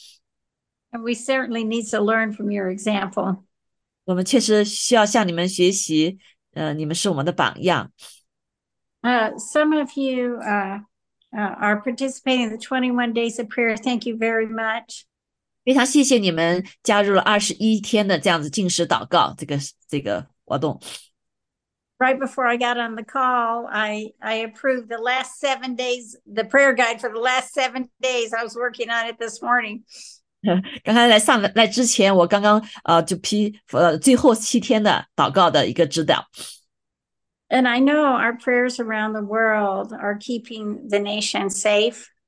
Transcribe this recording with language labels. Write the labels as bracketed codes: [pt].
[en] And we certainly need to learn from your example. [zh] 我们确实需要向你们学习，你们是我们的榜样。Some [en] of you are participating in the 21 days of prayer. Thank you very much. [zh] 非常谢谢你们加入了21天的这样子禁食祷告这个活动。 [en] Right before I got on the call, I approved the last 7 days, the prayer guide for the last 7 days. I was working on it this morning. [zh] 刚才来之前，我刚刚就批最后7天的祷告的一个指导。And [en] I know our prayers around the world are keeping the nation safe.